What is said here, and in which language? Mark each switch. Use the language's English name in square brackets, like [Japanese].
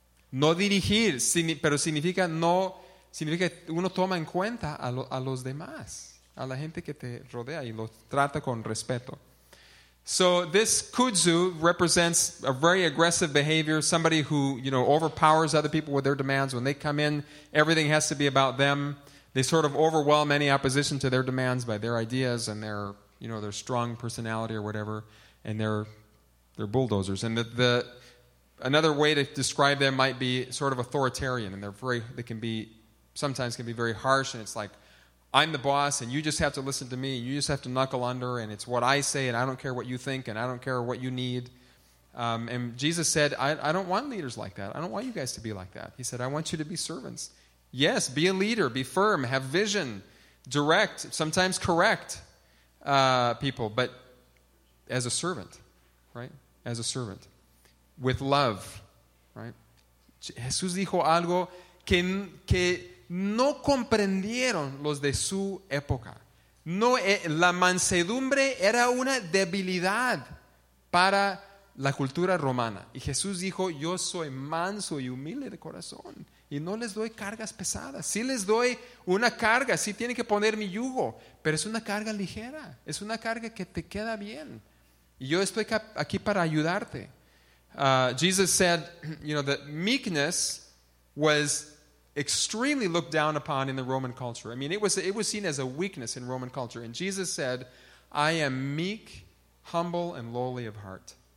[Spanish] No dirigir, pero significa uno toma en cuenta a los demás, a la gente que te rodea y los trata con respeto. [English] So this kudzu represents a very aggressive behavior, somebody who, you know, overpowers other people with their demands. When they come in, everything has to be about them. They sort of overwhelm any opposition to their demands by their ideas and their, you know, their strong personality or whatever, and they're bulldozers. And the another way to describe them might be sort of authoritarian, and they can be very harsh, and it's like, I'm the boss, and you just have to listen to me. You just have to knuckle under, and it's what I say, and I don't care what you think, and I don't care what you need. And Jesus said, I don't want leaders like that. I don't want you guys to be like that. He said, I want you to be servants. Yes, be a leader. Be firm. Have vision. Direct. Sometimes correct people, but as a servant, right? As a servant. With love, right? [Spanish] Jesús dijo algo que no comprendieron los de su época. No, la mansedumbre era una debilidad para la cultura romana. Y Jesús dijo, yo soy manso y humilde de corazón y no les doy cargas pesadas. Sí les doy una carga, sí tienen que poner mi yugo, pero es una carga ligera, es una carga que te queda bien. Y yo estoy aquí para ayudarte. [English] Jesus said, you know, that meekness was extremely looked down upon in the Roman culture. I mean, it was seen as a weakness in Roman culture. And Jesus said, I am meek, humble, and lowly of heart.